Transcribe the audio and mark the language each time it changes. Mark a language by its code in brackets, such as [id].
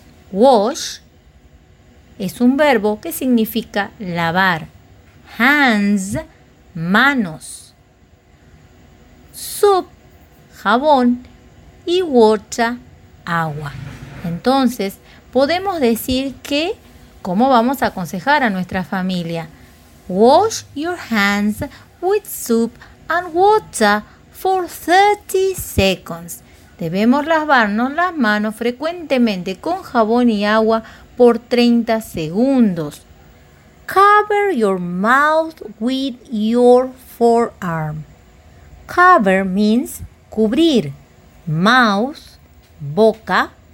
[es] Wash es un verbo que significa lavar. [en] Hands, manos. Soap, jabón. [es] Y water, agua. Entonces, podemos decir que, ¿cómo vamos a aconsejar a nuestra familia? [en] Wash your hands with soap and water for 30 seconds. [es] Debemos lavarnos las manos frecuentemente con jabón y agua por 30 segundos. [en] Cover your mouth with your forearm. Cover means cubrir. Mouth, boca.